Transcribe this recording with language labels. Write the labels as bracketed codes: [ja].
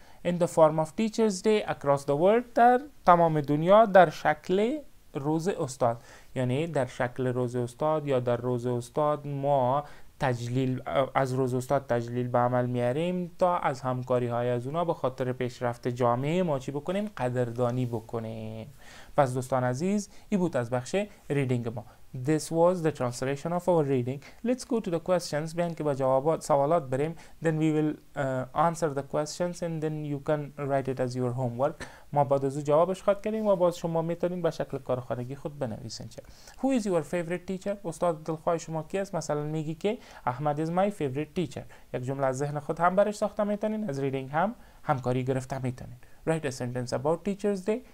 [en] in the form of teachers day across the world، [fa] در تمام دنیا در شکل روز استاد، یعنی در شکل روز استاد یا در روز استاد ما تجلیل از روز استاد تجلیل به عمل میاریم تا از همکاری های از اونا به خاطر پیشرفت جامعه ما چی بکنیم؟ قدردانی بکنیم. پس دوستان عزیز، این بود از بخش ریدینگ ما. [en] This was the translation of our reading. Let's go to the questions. [fa] بیان که با جوابات سوالات بریم. [en] Then we will answer the questions and then you can write it as your homework. [fa] ما بعد از او جوابش خواهد کردیم و باز شما میتونید به شکل کارخانگی خود بنویسین. [en] چه Who is your favorite teacher? [fa] استاد دلخواه شما کیست؟ مثلا میگی که احمد [en] is my favorite teacher. [fa] یک جمله از ذهن خود هم برش ساخته میتونین، از reading هم همکاری گرفته میتونین. [en] Write a sentence about Teacher's Day.